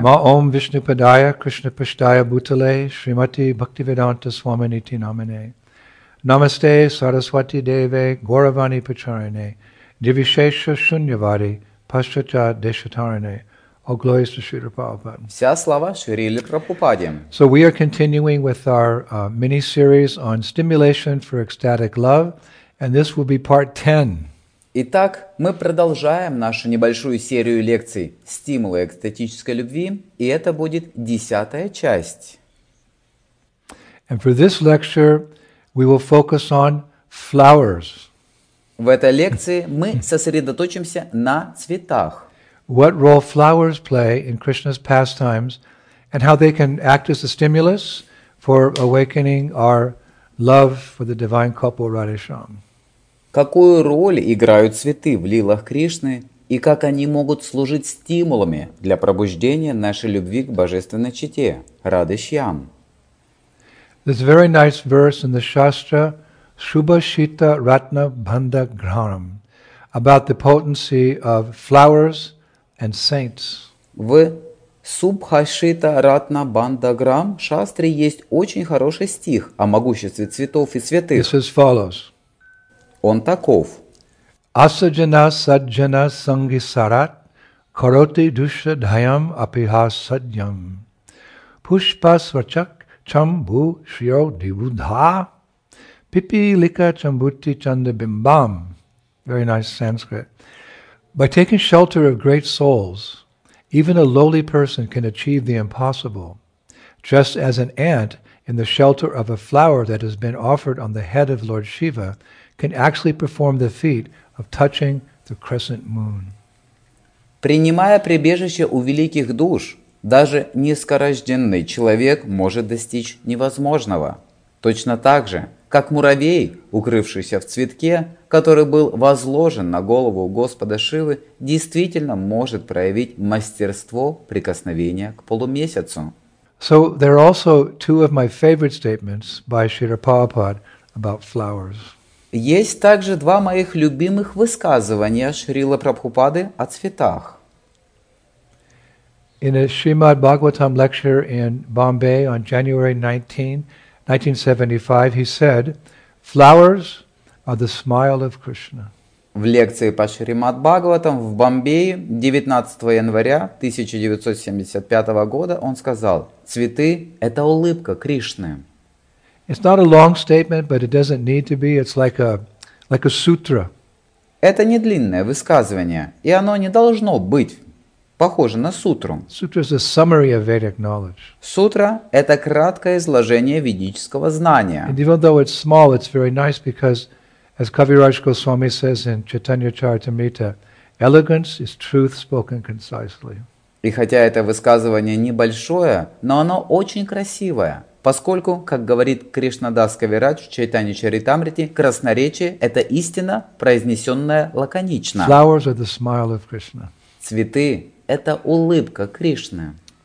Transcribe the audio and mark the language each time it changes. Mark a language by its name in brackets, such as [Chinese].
[Sanskrit] Ma Om Vishnu Padaya Krishna Pashtaya Bhutale Shrimati Bhaktivedanta Swamini Tinamine Namaste Saraswati Deve Gauravani Pacharine Divishesha Shunyavari Paschacha Deshatarine [English] All glories to Srila Prabhupada. [Russian] Вся слава Шрили Прабхупаде. [English] So we are continuing with our mini-series on stimulation for ecstatic love, and this will be part 10. [Russian] Итак, мы продолжаем нашу небольшую серию лекций «Стимулы экстатической любви», и это будет десятая часть. [English] And for this lecture, we will focus on flowers. [Russian] В этой лекции мы сосредоточимся на цветах. [English] What role flowers play in Krishna's pastimes and how they can act as a stimulus for awakening our love for the divine couple Radhe-Shyam. [Russian] Какую роль играют цветы в лилах Кришны и как они могут служить стимулами для пробуждения нашей любви к божественной чете Радхе-Шьям. [English] There's a very nice verse in the Shastra Shubhashita Ratna Bhanda Graham about the potency of flowers and saints. [Russian] В Субхашита Ратна Бандаграм Шастре есть очень хороший стих о могуществе цветов и святых. [English] This is follows. [Russian] Он таков. [Sanskrit] Асаджана саджана сангисарат короти душа дхайам апиха садьям Пушпа сварчак чамбу шрио дивудха Пипи лика чамбути чанда бимбам. [English] Very nice Sanskrit. By taking shelter of great souls, even a lowly person can achieve the impossible, just as an ant in the shelter of a flower that has been offered on the head of Lord Shiva can actually perform the feat of touching the crescent moon. [Russian] Принимая прибежище у великих душ, даже низкорожденный человек может достичь невозможного. Точно так же, как муравей, укрывшийся в цветке, который был возложен на голову Господа Шивы, действительно может проявить мастерство прикосновения к полумесяцу. [English] So there are also two of my favorite statements by Srila Prabhupada about flowers. [Russian] Есть также два моих любимых высказывания Шрилы Прабхупады о цветах. [English] In a Srimad Bhagavatam lecture in Bombay on January 19, 1975, he said, "Flowers are the smile of Krishna." [Russian] В лекции по Шримад Бхагаватам в Бомбее 19 января 1975 года он сказал: "Цветы — это улыбка Кришны." [English] It's not a long statement, but it doesn't need to be. It's like a sutra. [Russian] Это не длинное высказывание, и оно не должно быть. Похоже на сутру. [English] Sutra is a summary of Vedic knowledge. [Russian] Сутра – это краткое изложение ведического знания. [English] And even though it's small, it's very nice because, as Kaviraj Goswami says in Chaitanya Charitamrita, elegance is truth spoken concisely. [Russian] И хотя это высказывание небольшое, но оно очень красивое, поскольку, как говорит Кришнадас Кавирадж в Чайтанья Чаритамрите, красноречие – это истина, произнесенная лаконично. [English] Flowers are the smile of Krishna. [Russian] Цветы – это улыбка Кришны.